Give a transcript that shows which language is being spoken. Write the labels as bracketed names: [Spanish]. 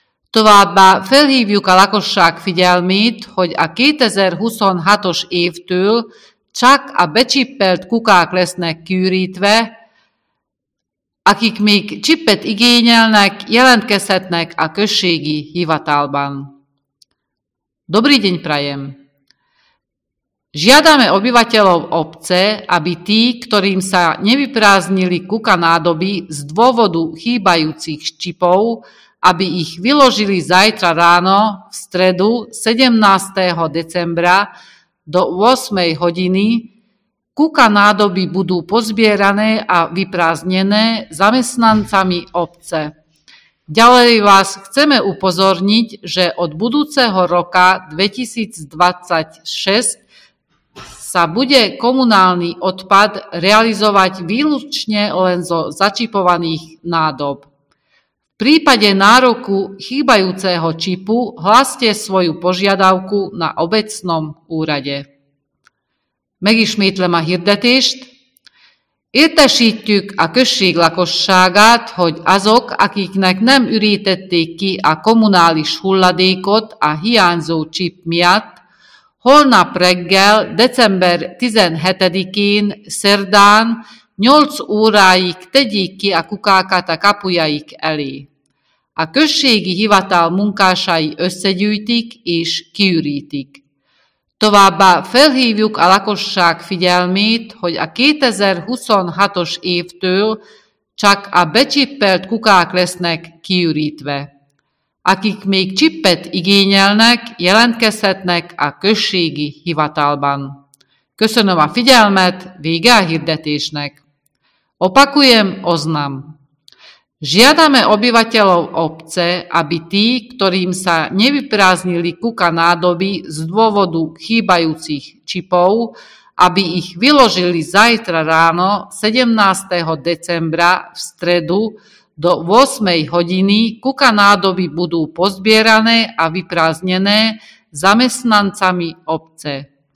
[Hungarian] Továbbá felhívjuk a lakosság figyelmét, hogy a 2026-os évtől csak a becsippelt kukák lesznek kiürítve, akik még csippet igényelnek, jelentkezhetnek a községi hivatalban. [Slovak] Dobrý deň prajem! Žiadame obyvateľov obce, aby tí, ktorým sa nevypráznili kuka nádoby z dôvodu chýbajúcich čipov, aby ich vyložili zajtra ráno, v stredu 17. decembra do 8. hodiny, kuka nádoby budú pozbierané a vyprázdnené zamestnancami obce. Ďalej vás chceme upozorniť, že od budúceho roka 2026 sa bude komunálny odpad realizovať výlučne len zo začipovaných nádob. V prípade nároku chýbajúceho čipu hláste svoju požiadavku na obecnom úrade. [Hungarian] Megismétlem a hirdetést. Értesítjük a község lakosságát, hogy azok, akiknek nem ürítették ki a kommunális hulladékot a hiányzó csip miatt, holnap reggel, december 17-én, szerdán, 8 óráig tegyék ki a kukákat a kapujaik elé. A községi hivatal munkásai összegyűjtik és kiürítik. Továbbá felhívjuk a lakosság figyelmét, hogy a 2026-os évtől csak a becsippelt kukák lesznek kiürítve. Akik még csippet igényelnek, jelentkezhetnek a községi hivatalban. Köszönöm a figyelmet, vége a hirdetésnek. [Slovak] Opakujem, oznam. Žiadame obyvateľov obce, aby tí, ktorým sa nevypráznili kuka nádoby z dôvodu chýbajúcich čipov, aby ich vyložili zajtra ráno 17. decembra v stredu do 8. hodiny kuka nádoby budú pozbierané a vyprázdnené zamestnancami obce.